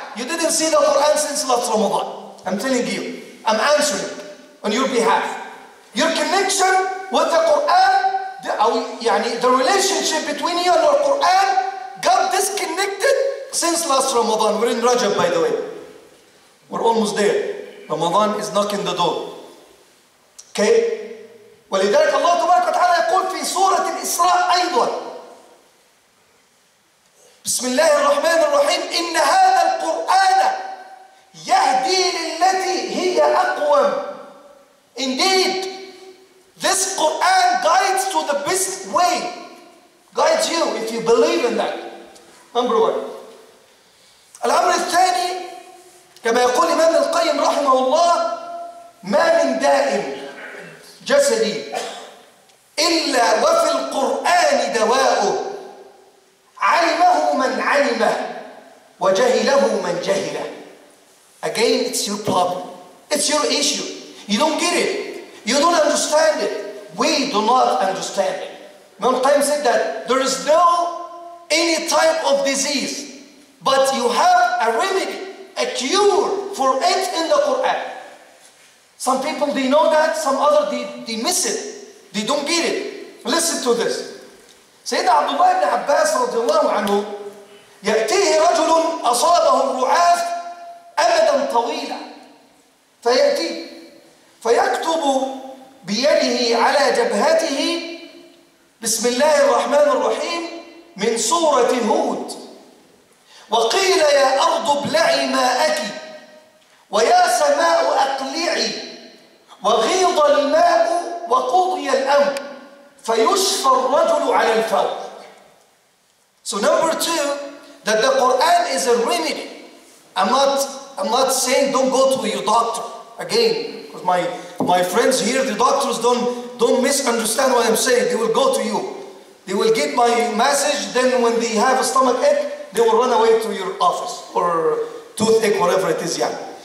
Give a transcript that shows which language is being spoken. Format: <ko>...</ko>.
<en>You didn't see the Quran since last Ramadan. I'm telling you, I'm answering on your behalf. Your connection with the Quran, the relationship between you and the Quran got disconnected since last Ramadan. We're in Rajab, by the way. We're almost there. Ramadan is knocking the door. Okay?</en> <ar>ولذلك الله تبارك وتعالى يقول في سورة الإسراء أيضا بسم الله الرحمن الرحيم إن هذا القرآن يهدي للتي هي أقوى.</ar> <en>Indeed, this Quran guides to the best way. Guides you if you believe in that. Number one.</en> <ar>الأمر الثاني كما يقول إمام القيم رحمه الله ما من دائم جسدي إلا وفي القرآن دواؤه علمه من علمه وجهله من جهله.</ar> <en>Again, it's your problem. It's your issue. You don't get it. You don't understand it. We do not understand it. Imam Qayyim said that there is no any type of disease, but you have a remedy, a cure for it in the Quran. Some people, they know that. Some other, they miss it. They don't get it. Listen to this. Sayyidina Abdullah ibn Abbas radiallahu anhu,</en> <ar>يأتيه رجل أصابه الرعاف أمدا طويلا، فيأتي فيكتب بيده على جبهته بسم الله الرحمن الرحيم من سورة هود، وقيل يا أرض ابلعي ماءك ويا سماء أقلعي وغيض الماء وقضي الأمر فيشفى الرجل على الفور.</ar> <en>So number two, that the Quran is a remedy. I'm not saying don't go to your doctor again, because my friends here, the doctors, don't misunderstand what I'm saying. They will go to you. They will get my message. Then when they have a stomach ache, they will run away to your office or toothache, whatever it is. Yeah.</en>